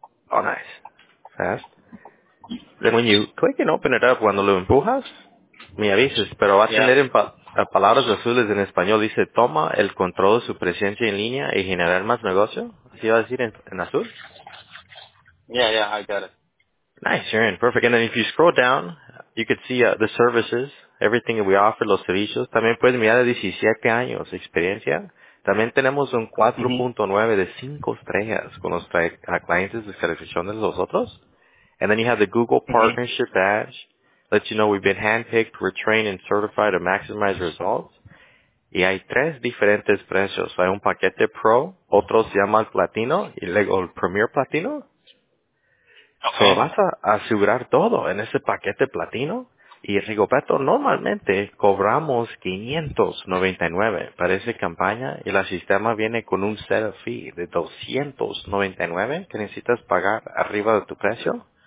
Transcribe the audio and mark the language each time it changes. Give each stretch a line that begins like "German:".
English: Oh, nice. Fast. Then when you click and open it up,
Spanish: cuando lo empujas, me avisas, pero va a tener en palabras azules en español. Dice, toma el control de su presencia en línea y generar más negocio. ¿Así va a decir en azul?
English: Yeah, I got it. Nice, you're in. Perfect. And then if you scroll down, you could see the services, everything that we offer,
Spanish: los servicios. También puedes mirar de 17 años experiencia. También tenemos un 4.9 de 5 estrellas con los clientes de satisfacción de nosotros.
English: And then you have the Google Partnership Badge. Let you know we've been handpicked, we're trained and certified to maximize results.
Spanish: Y hay tres diferentes precios. Hay un paquete Pro, otro se llama el Platino y luego el Premier Platino.
English: Okay. So
Spanish: vas a asegurar todo en ese paquete Platino. Y Rigoberto, normalmente cobramos $599 para esa campaña y el sistema viene con un
English: set of fee
Spanish: de $299 que necesitas pagar arriba de tu precio.